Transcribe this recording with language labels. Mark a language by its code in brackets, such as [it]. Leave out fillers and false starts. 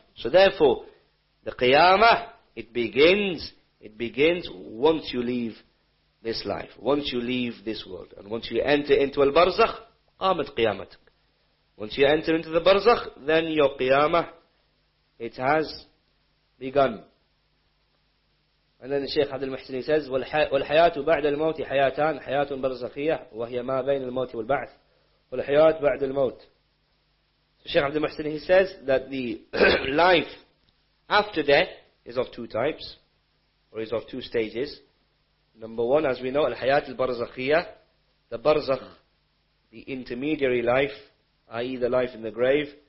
[en] So therefore, the Qiyamah, it begins once you leave this life, once you leave this world. And once you enter into al-barzakh, [ar] qamat qiyamatuk. [en] Once you enter into the barzakh, then your qiyamah, it has begun. And then the Shaykh Abdul Muhsini says, [ar] وَالْحَيَاةُ بَعْدَ الْمَوْتِ حَيَاتَانِ حَيَاةٌ بَرْزَخِيَةٌ وَهِيَ مَا بَيْنَ الْمَوْتِ وَالْبَعْثِ وَالْحَيَاةُ بَعْدَ الْمَوْتِ. [en] So Shaykh Abdul Muhsini, he says that the life after death is of two types, or is of two stages. Number one, as we know, al-hayat al-barzakhiyah, the barzakh, the intermediary life, i.e. the life in the grave.